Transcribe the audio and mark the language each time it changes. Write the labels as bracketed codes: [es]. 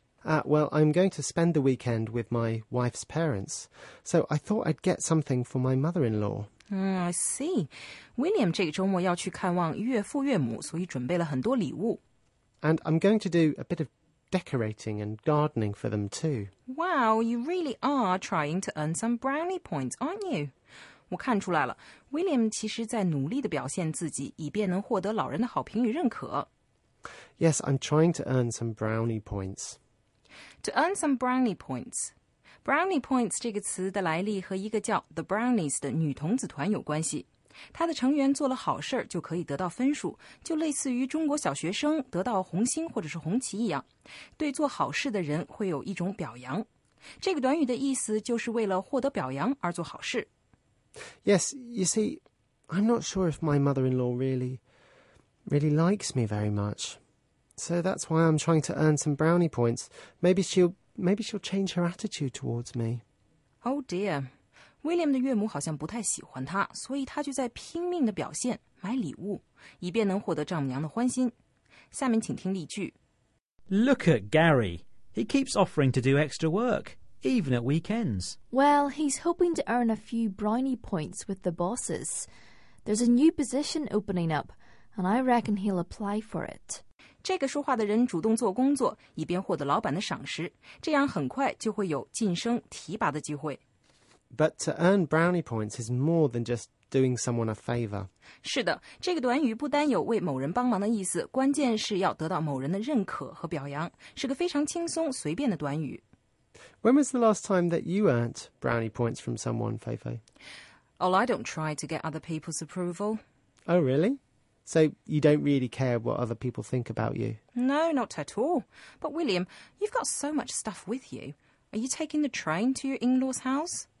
[en] Well, I'm going to spend the weekend with my wife's parents, so I thought I'd get something for my mother-in-law. [zh] I see. William 这个周末要去看望岳父岳母，所以准备了很多礼物。 [en] And I'm going to do a bit of decorating and gardening for them too. Wow, you really are trying to earn some brownie points, aren't you? [zh] 我看出来了， William 其实在努力地表现自己，以便能获得老人的好评与认可。 [en] Yes, I'm trying to earn some brownie points. To earn some brownie points. [zh] Brownie points 这个词的来历和一个叫 The Brownies 的女童子团有关系。她的成员做了好事就可以得到分数，就类似于中国小学生得到红星或者是红旗一样，对做好事的人会有一种表扬。这个短语的意思就是为了获得表扬而做好事。 [en] Yes, you see, I'm not sure if my mother-in-law really likes me very much. So that's why I'm trying to earn some brownie points. Maybe she'll change her attitude towards me. Oh dear. [zh] William 的岳母好像不太喜欢他，所以他就在拼命地表现，买礼物，以便能获得丈母娘的欢心。下面请听例句。 [en] Look at Gary. He keeps offering to do extra work, even at weekends. Well, he's hoping to earn a few brownie points with the bosses. There's a new position opening up, and I reckon he'll apply for it. [zh] 这个说话的人主动做工作，以便获得老板的赏识，这样很快就会有晋升提拔的机会。 [en] But to earn brownie points is more than just doing someone a favor. [zh] 是的，这个短语不单有为某人帮忙的意思，关键是要得到某人的认可和表扬，是个非常轻松随便的短语。 [en] When was the last time that you earned brownie points from someone, Feifei? Oh, I don't try to get other people's approval. Oh, really? So you don't really care what other people think about you? No, not at all. But William, you've got so much stuff with you. Are you taking the train to your in-law's house?